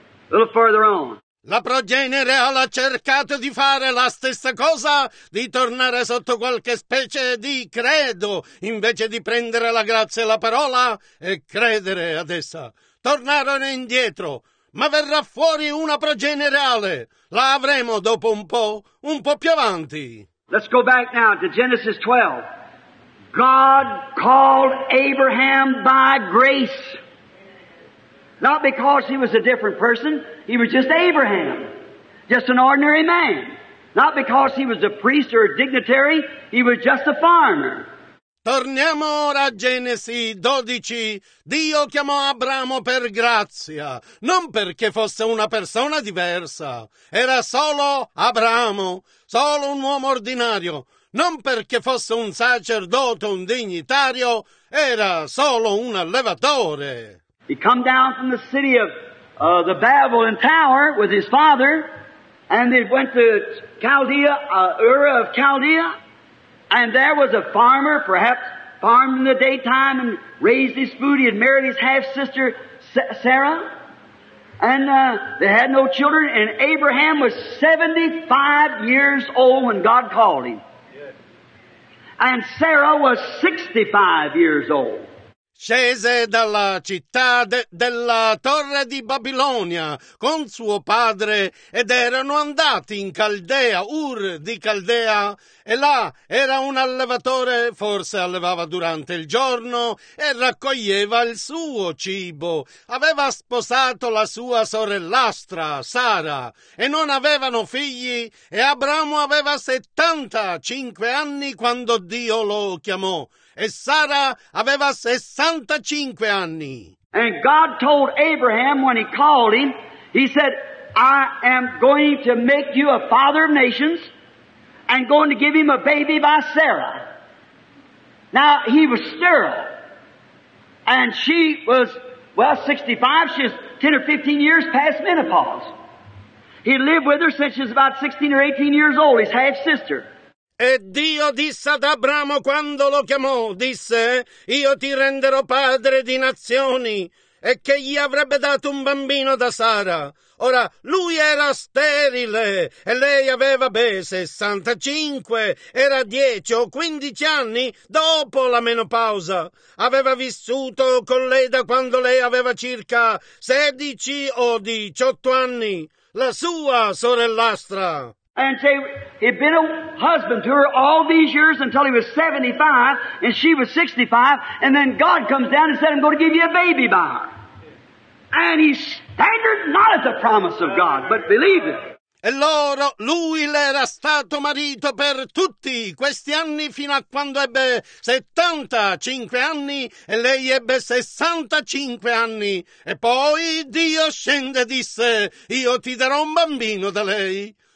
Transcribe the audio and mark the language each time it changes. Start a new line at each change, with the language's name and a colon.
English: A little further on.
Italian: La progenere ha cercato di fare la stessa cosa, di tornare sotto qualche specie di credo, invece di prendere la grazia e la parola e credere ad essa. Tornarono indietro. Ma verrà fuori una progenie reale. La avremo dopo un po' più avanti.
English: Let's go back now to Genesis 12. God called Abraham by grace. Not because he was a different person. He was just Abraham. Just an ordinary man. Not because he was a priest or a dignitary. He was just a farmer.
Italian: Torniamo ora a Genesi 12. Dio chiamò Abramo per grazia, non perché fosse una persona diversa. Era solo Abramo, solo un uomo ordinario. Non perché fosse un sacerdote, un dignitario. Era solo un allevatore.
English: He come down from the city of the Babylon Tower with his father, and he went to Chaldea, Ur of Chaldea. And there was a farmer, perhaps farmed in the daytime and raised his food. He had married his half-sister, Sarah. And they had no children. And Abraham was 75 years old when God called him. And Sarah was 65 years old.
Italian: Scese dalla città della torre di Babilonia con suo padre ed erano andati in Caldea, Ur di Caldea, e là era un allevatore, forse allevava durante il giorno e raccoglieva il suo cibo. Aveva sposato la sua sorellastra, Sara, e non avevano figli, e Abramo aveva 75 anni quando Dio lo chiamò. E Sara aveva 65 anni.
English: And God told Abraham when he called him, he said, I am going to make you a father of nations and going to give him a baby by Sarah. Now, he was sterile. And she was, well, 65. She was 10 or 15 years past menopause. He lived with her since she was about 16 or 18 years old, his half-sister.
Italian: E Dio disse ad Abramo quando lo chiamò, disse, io ti renderò padre di nazioni, e che gli avrebbe dato un bambino da Sara. Ora, lui era sterile, e lei aveva, 65, era 10 o 15 anni dopo la menopausa. Aveva vissuto con lei da quando lei aveva circa 16 o 18 anni, la sua sorellastra.
English: And say he'd been a husband to her all these years until he was 75, and she was 65, and then God comes down and said, I'm going to give you a baby by her. And he staggered not at the promise of God, but believed it.
Italian: E loro, lui le era stato marito per tutti questi anni fino a quando ebbe 75 anni e lei ebbe 65 anni. E poi Dio scende e disse, io ti darò un bambino da lei.